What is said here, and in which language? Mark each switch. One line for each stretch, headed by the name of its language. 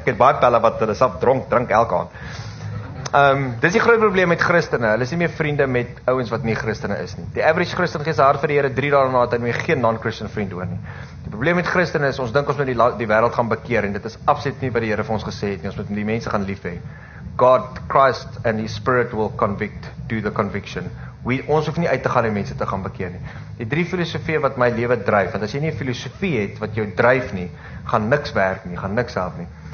Afrikaans: Ek het baie pelle wat hulle sap drink elke aand. Dis die groot probleem met Christene. Hulle is nie meer vriende met ouens wat nie Christene is nie. Die average Christen gee sy hart vir die Here 3 dae na dat hy nie geen non-Christian vriend hoor nie. Die probleem met Christene is ons dink ons moet die wêreld gaan bekeer en dit is absoluut nie wat die Here vir ons gesê het nie. Ons moet die mense gaan lief hê.
English: God, Christ and his spirit will convict, do the conviction.
Afrikaans: Ons hoef nie uit te gaan en mense te gaan bekeer nie. Die 3 filosofieë wat my lewe dryf, want as jy nie 'n filosofie het wat jou dryf nie, gaan niks werk nie, gaan niks help nie.